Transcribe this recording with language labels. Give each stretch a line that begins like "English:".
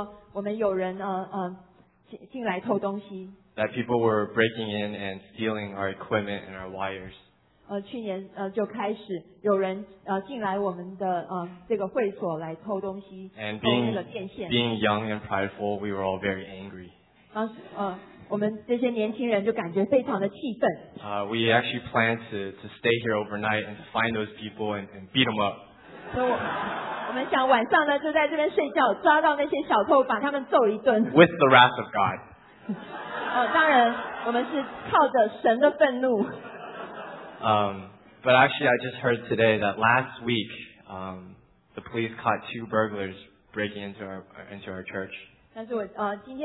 Chinese: 我记得去年暑假呢，威廉跟我们说，我们有人进来偷东西。
English: That people were breaking in and stealing our equipment and our wires.
Chinese: 去年就开始有人进来我们的这个会所来偷东西。
English: And being young and prideful, we were all very angry.
Chinese: 当时我们这些年轻人就感觉非常的气愤。
English: We actually planned to stay here overnight and to find those people and beat them up.
Chinese: 所以我们想晚上呢就在这边睡觉，抓到那些小偷，把他们揍一顿。
English: With the wrath of God.
Chinese: 当然，我们是靠着神的愤怒。
English: But actually, I just heard today that last week, the police caught two burglars breaking into our church.